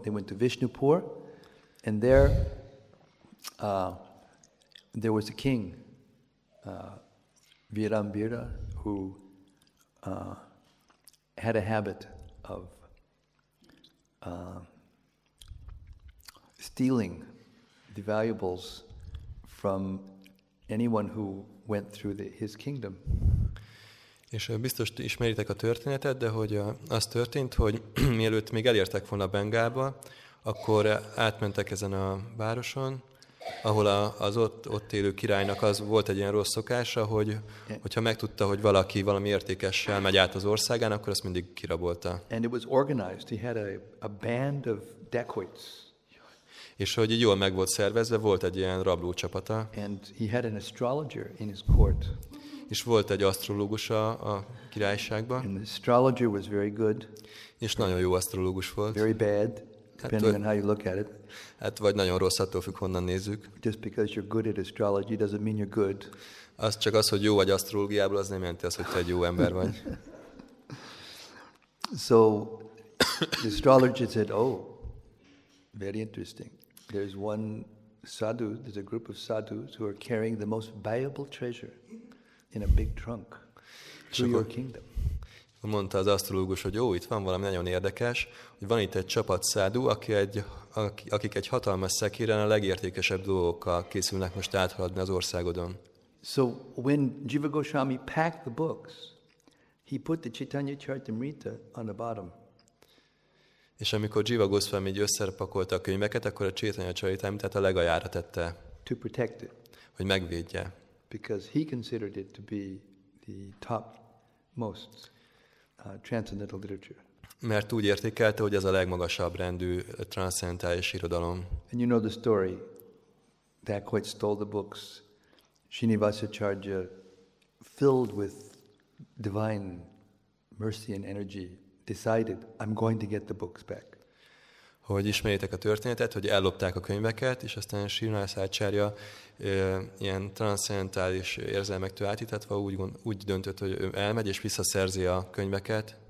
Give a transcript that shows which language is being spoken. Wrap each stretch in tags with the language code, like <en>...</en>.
<en>They went to Vishnupur, and there was a king, Virambira, who had a habit of stealing the valuables from anyone who went through his kingdom.</en> <hu>És biztos ismeritek a történetet, de hogy az történt, hogy mielőtt még elértek volna Bengálba, akkor átmentek ezen a városon, ahol az ott élő királynak az volt egy ilyen rossz szokása, hogyha megtudta, hogy valaki valami értékessel megy át az országán, akkor azt mindig kirabolta.</hu> <en>And it was organized. He had a band of dacoits.</en> <hu>És hogy így jól meg volt szervezve, volt egy ilyen rabló csapata.</hu> <en>And he had an astrologer in his court.</en> <hu>És volt egy asztrológusa a királyságban.</hu> <en>And the astrologer was very good.</en> <hu>És nagyon jó asztrológus volt.</hu> <en>Very bad depending on how you look at it.</en> <hu>Hát vagy nagyon rossz, attól függ, honnan nézzük.</hu> <en>Just because you're good at astrology doesn't mean you're good.</en> <hu>Az csak az, hogy jó vagy asztrológiából, az nem jelenti azt, hogy te egy jó ember vagy.</hu> <en>So the astrologer said, oh, very interesting. There's one sadhu, there's a group of sadhus who are carrying the most valuable treasure in a big trunk through your kingdom.</en> <hu>Mondta az asztrológus, hogy ó, itt van valami nagyon érdekes, hogy van itt egy csapat szádú, akik egy hatalmas szekéren a legértékesebb dolgokkal készülnek most áthaladni az országodon.</hu> <en>So when Jiva Goswami packed the books, he put the Chaitanya Charitamrita on the bottom.</en> <hu>És amikor Jiva Goswami így összepakolta a könyveket, akkor a Chaitanya Charitamritát a legaljára tette,</hu> <en>to protect it,</en> <hu>hogy megvédje.</hu> <en>Because he considered it to be the top most transcendental literature.</en> <hu>Mert úgy értékelte, hogy ez a legmagasabb rendű transzcendentális irodalom.</hu> <en>And you know the story. Dacoit stole the books. Srinivasacharya filled with divine mercy and energy decided, I'm going to get the books back.</en> <hu>Hogy ismerjétek a történetet, hogy ellopták a könyveket, és aztán Srinivasacharya ilyen transzcendentális érzelmektől átítatva úgy döntött, hogy ő elmegy és visszaszerzi a könyveket.</hu>